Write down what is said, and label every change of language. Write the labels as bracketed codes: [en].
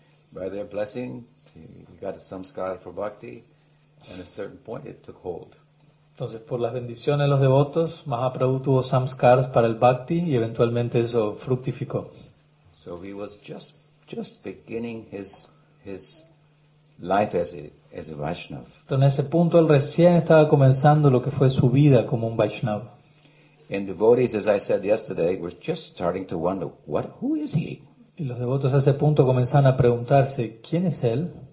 [en] By their blessing, he got a samskara for bhakti, and at a certain point it took hold. [es] Entonces, por las bendiciones de los devotos, Mahaprabhu tuvo samskaras para el bhakti y eventualmente eso fructificó. [en] So he was just beginning his life as a Vaishnava. [es] Entonces, en ese punto él recién estaba comenzando lo que fue su vida como un Vaishnava. [en] And devotees, as I said yesterday, were just starting to wonder, who is he? [es] Y los devotos a ese punto comenzaban a preguntarse, ¿quién es él?